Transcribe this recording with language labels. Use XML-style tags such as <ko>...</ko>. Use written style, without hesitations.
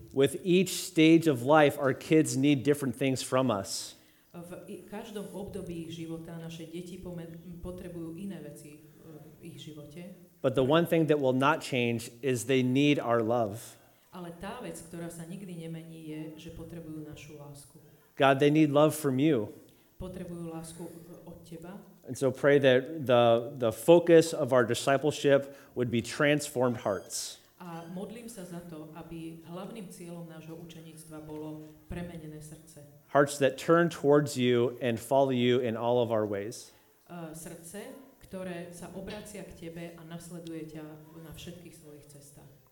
<en>With each stage of life, our kids need different things from us.</en> <sk>V každom období ich života naše deti potrebujú iné veci v ich živote.</sk> <en>But the one thing that will not change is they need our love.</en> <sk>Ale tá vec, ktorá sa nikdy nemení, je, že potrebujú našu lásku.</sk> <en>God, they need love from you.</en> <sk>Potrebujú lásku od teba.</sk> <en>And so pray that the focus of our discipleship would be transformed hearts.</en> <sk>A modlím sa za to, aby hlavným cieľom nášho učeníctva bolo premenené srdce.</sk> <en>Hearts that turn towards you and follow you in all of our ways.</en> <sk>Srdce, ktoré sa obracia k tebe a nasleduje ťa na všetkých svojich cestách.</sk>